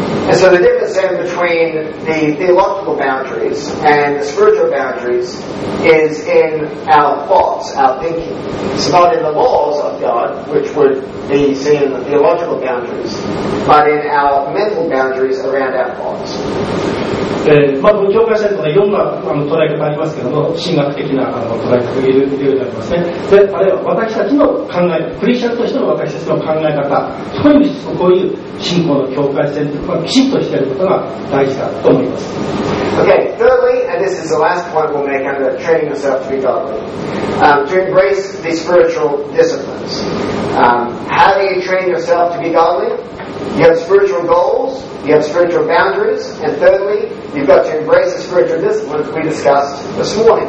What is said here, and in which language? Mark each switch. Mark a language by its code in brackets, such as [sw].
[en] And so the difference then between the theological boundaries and the spiritual boundaries is in our thoughts, our thinking. It's not in the laws of God, which would be seen in the theological boundaries, but in our mental boundaries around our thoughts. [ja] まあ、境界線というのはいろんなあの捉え方がありますけども、神学的なあの捉え方がいるようになりますね。で、あるいは私たちの考え、クリスチャンとしての私たちの考え方、そういうこういう信仰の境界線というのはきちっとしていることが大事だと思います。 [en] Okay, thirdly, and this is the last point we'll make under training yourself to be godly, to embrace the spiritual disciplines. How do you train yourself to be godly? You have spiritual goals, you have spiritual boundaries, and thirdly,You've got to embrace the spiritual disciplines we discussed this morning.